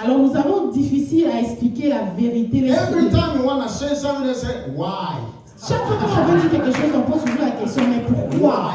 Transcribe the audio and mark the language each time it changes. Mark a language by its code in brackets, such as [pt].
[fr] Alors nous avons difficile à expliquer la vérité. [en] Every time you want to say something, they say why. [fr] Chaque fois que je veux dire quelque chose, on pose toujours la question, mais pourquoi?